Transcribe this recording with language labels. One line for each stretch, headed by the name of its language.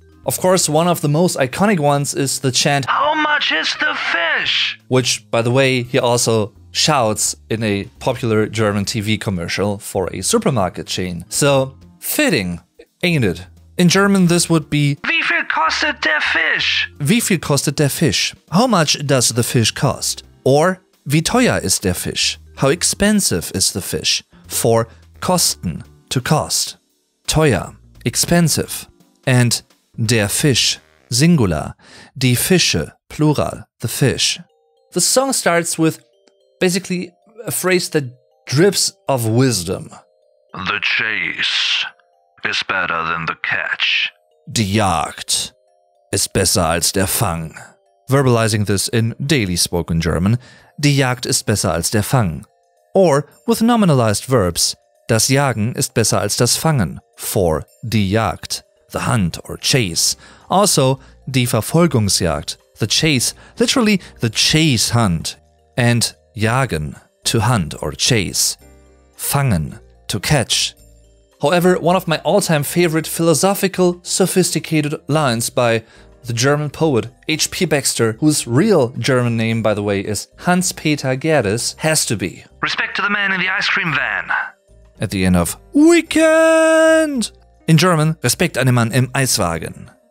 English: Of course, one of the most iconic ones is the chant, How much is the fish? Which, by the way, he also shouts in a popular German TV commercial for a supermarket chain. So, fitting, ain't it? In German, this would be
German: Wie viel kostet der Fisch? Wie viel kostet der Fisch?
English: How much does the fish cost?
German: Or Wie teuer ist der Fisch?
English: How expensive is the fish? For kosten, to cost. Teuer, expensive. And der Fisch, singular. Die Fische, plural, the fish. The song starts with basically a phrase that drips of wisdom. The chase is better than the catch.
German: Die Jagd ist besser als der Fang.
English: Verbalizing this in daily spoken German,
German: die Jagd ist besser als der Fang.
English: Or with nominalized verbs,
German: das Jagen ist besser als das Fangen.
English: For die Jagd, the hunt or chase. Also die Verfolgungsjagd, the chase, literally the chase hunt. And jagen, to hunt or chase. Fangen, to catch. However, one of my all-time favorite philosophical, sophisticated lines by the German poet H.P. Baxxter, whose real German name, by the way, is Hans-Peter Gerdes, has to be respect to the man in the ice cream van. At the end of Weekend! In German,
German: Respekt an dem Mann im Eiswagen.